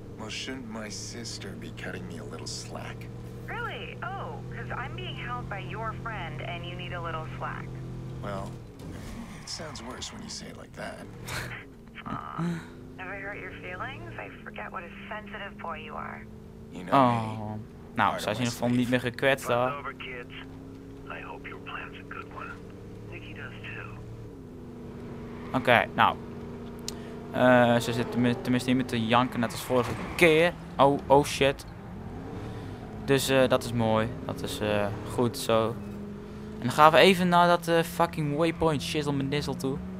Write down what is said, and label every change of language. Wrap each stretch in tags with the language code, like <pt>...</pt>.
<en>Well, shouldn't my sister be cutting me a little slack? Really? Oh, because I'm being held by your friend and you need a little slack. Well, it sounds worse when you say it like that. Aw, have I hurt your feelings? I forget what a sensitive boy you are. You know oh.</en> <nl>Nou, ze is in ieder geval niet meer gekwetst, hoor.</nl> <en>Over, kids. I hope your plan's a good one. Nikki does too.</en> <nl>Oké, okay, nou. Ze zit tenminste niet meer te janken net als vorige keer. Oh shit. Dus dat is mooi. Dat is goed zo. En dan gaan we even naar dat fucking waypoint shizzle met nizzle toe.</nl>